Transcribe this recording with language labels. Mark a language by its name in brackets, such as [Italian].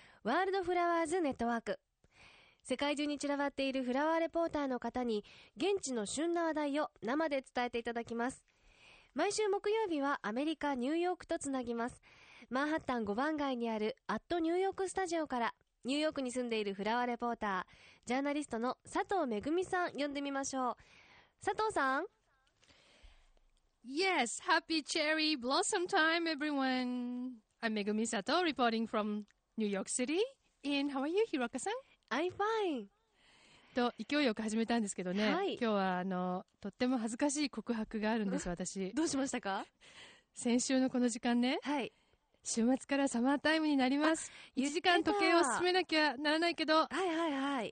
[Japanese] ワールドフラワーズネットワーク。世界中に散らばっているフラワーレポーターの方に現地の旬な話題を生で伝えていただきます。毎週木曜日はアメリカニューヨークとつなぎます。マンハッタン5番街にあるアットニューヨークスタジオからニューヨークに住んでいるフラワーレポータージャーナリストの佐藤めぐみさん呼んでみましょう。佐藤さん。 [English] Yes, happy cherry blossom time everyone. I'm Megumi Sato reporting from New York City. And how are you, Hiroka-san? I'm fine. [Japanese] と勢いよく始めたんですけどね、はい、今日はとっても恥ずかしい告白があるんです。私どうしましたか？先週のこの時間ね、はい、週末からサマータイムになります。1時間時計を進めなきゃならないけど、はいはいはい、